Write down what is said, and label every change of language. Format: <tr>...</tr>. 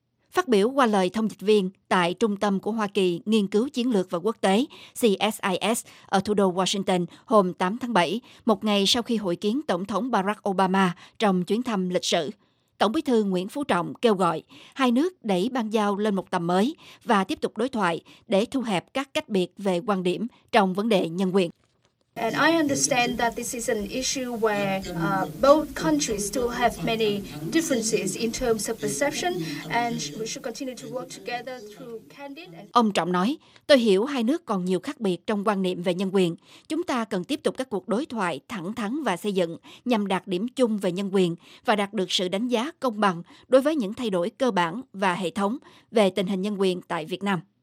<vi>Phát biểu qua lời thông dịch viên tại Trung tâm của Hoa Kỳ Nghiên cứu Chiến lược và Quốc tế CSIS ở thủ đô Washington hôm 8 tháng 7, một ngày sau khi hội kiến Tổng thống Barack Obama trong chuyến thăm lịch sử, Tổng bí thư Nguyễn Phú Trọng kêu gọi hai nước đẩy ban giao lên một tầm mới và tiếp tục đối thoại để thu hẹp các cách biệt về quan điểm trong vấn đề nhân quyền.</vi> <en>And I understand that this is an issue where both countries still have many differences in terms of perception, and we should continue to work together through candid.</en> <vi>Ông Trọng nói, tôi hiểu hai nước còn nhiều khác biệt trong quan niệm về nhân quyền. Chúng ta cần tiếp tục các cuộc đối thoại thẳng thắn và xây dựng nhằm đạt điểm chung về nhân quyền và đạt được sự đánh giá công bằng đối với những thay đổi cơ bản và hệ thống về tình hình nhân quyền tại Việt Nam.</vi>